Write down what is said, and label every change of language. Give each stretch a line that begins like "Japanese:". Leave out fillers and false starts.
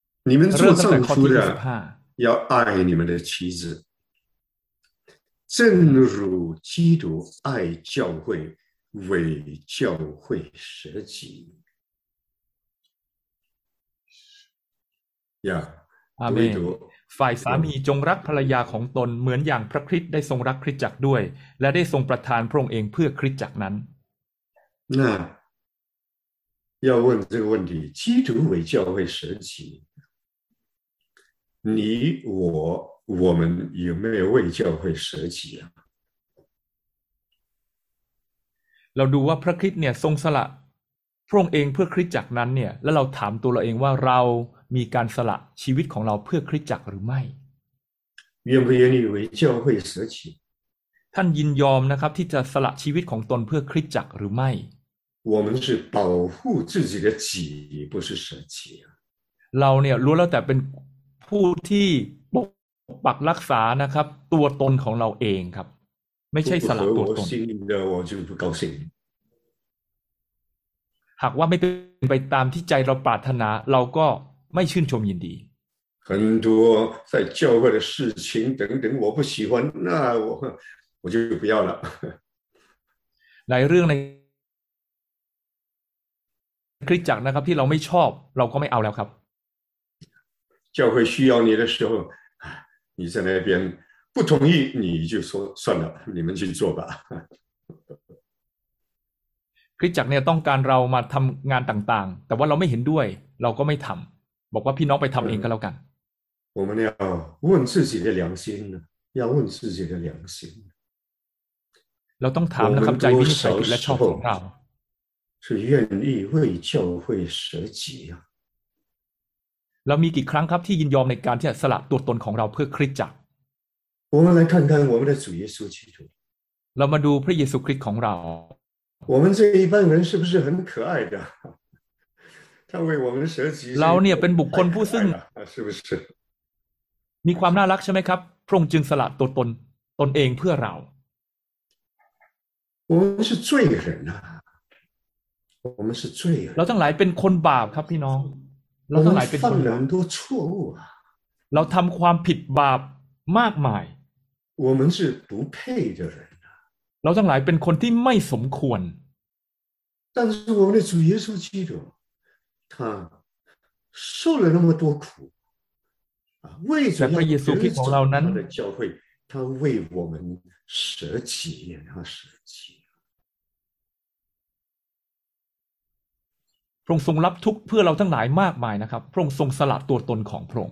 Chinese: 你们做丈夫的要爱你们的妻子正如基督爱教会为教会舍己 Yeah.
Thai: 阿们ฝ่ายสามีจงรักภรรยาของตนเหมือนอย่างพระคริสต์ได้ทรงรักคริสตจักรด้วยและได้ทรงประทานพระองค์เองเพื่อคริสตจักรนั้น
Chinese: น่ะ要问这个问题基督为教会舍己你我我们有没有为教会舍己啊
Thai: เราดูว่าพระคริสต์เนี่ยทรงสละพระองค์เองเพื่อคริสตจักรนั้นเนี่ยแล้วเราถามตัวเราเองว่าเรามีการสละชีวิตของเราเพื่อคริสตจักรหรือไม่
Chinese: 愿不愿意为教会舍己
Thai: ท่านยินยอมนะครับที่จะสละชีวิตของตนเพื่อคริสตจักรหรือไม่
Chinese: 我们是保护自己的己不是舍己
Thai: เราเนี่ยรู้แล้วแต่เป็นผู้ที่ปกปักรักษานะครับตัวตนของเราเองครับไม่ใช่สละตัวตน
Chinese: 我就不高兴
Thai: หากว่าไม่เป็นไปตามที่ใจเราปรารถนาเราก็ไม่ชื่นชมยินดี
Chinese: 很多在教会的事情等等我不喜欢那我就不要了
Thai: หลายเรื่องในคริสตจักรนะครับที่เราไม่ชอบเราก็ไม่เอาแล้วครับ
Chinese: 教会需要你的时候你在那边不同意你就说算了你们去做吧
Thai: คริสตจักรเนี่ยต้องการเรามาทำงานต่างๆแต่ว่าเราไม่เห็นด้วยเราก็ไม่ทำบอกว่าพี่น้องไปทำเองก็แล้วกัน
Chinese: 我们要问自己的良心要问自己的良心
Thai: เราต้องถามนะครับใจวิสัยและชอบของเรา
Chinese: 是愿意为教会舍己啊
Thai: เรามีกี่ครั้งครับที่ยินยอมในการที่จะสละตัวตนของเราเพื่อคริสตจักร
Chinese: 我们来看看我们的主耶稣基督
Thai: เรามาดูพระเยซูคริสต์ของเรา
Chinese: 我们这一般人是不是很可爱的他为我们舍己
Thai: เราเนี่ยเป็นบุคคลผู้ซึ่ง
Chinese: 是不是
Thai: มีความน่ารักใช่ไหมครับพระองค์จึงสละตัวตนตนเองเพื่อเรา
Chinese: 我们是罪人啊我们是罪人
Thai: เราทั้งหลายเป็นคนบาปครับพี่น้องเราทั้งหลายเป็นคน
Chinese: ทำ很多错误啊
Thai: เราทำความผิดบาปมากมาย
Chinese: 我们是不配的人啊
Thai: เราทั้งหลายเป็นคนที่ไม่สมควร
Chinese: 但是我们的主耶稣基督他受了那么多苦啊为什么在耶稣基督的教会他为我们舍己然后舍己
Thai: พระองค์ทรงรับทุกข์เพื่อเราทั้งหลายมากมายนะครับพระองค์ทรงสละตัวตนของพระองค